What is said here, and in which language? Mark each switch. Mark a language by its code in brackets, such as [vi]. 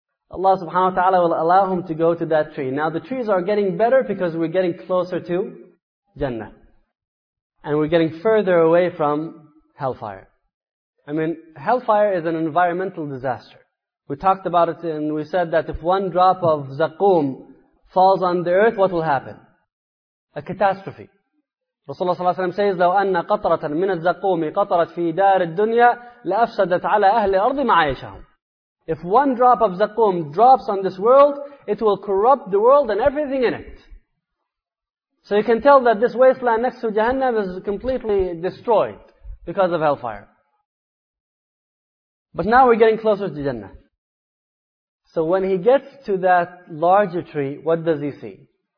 [en] Allah subhanahu wa ta'ala will allow him to go to that tree. Now the trees are getting better because we're getting closer to Jannah. And we're getting further away from hellfire. I mean, hellfire is an environmental disaster. We talked about it and we said that if one drop of zakum falls on the earth, what will happen? A catastrophe. [ar] Rasulullah صلى الله عليه وسلم says, لو أن قطرة من الزقوم قطرت في دار الدنيا لأفسدت على أهل الأرض معايشهم. [en] If one drop of zakum drops on this world, it will corrupt the world and everything in it. So you can tell that this wasteland next to Jahannam is completely destroyed because of hellfire. But now we're getting closer to Jannah. So when he gets to that larger tree, what does he see?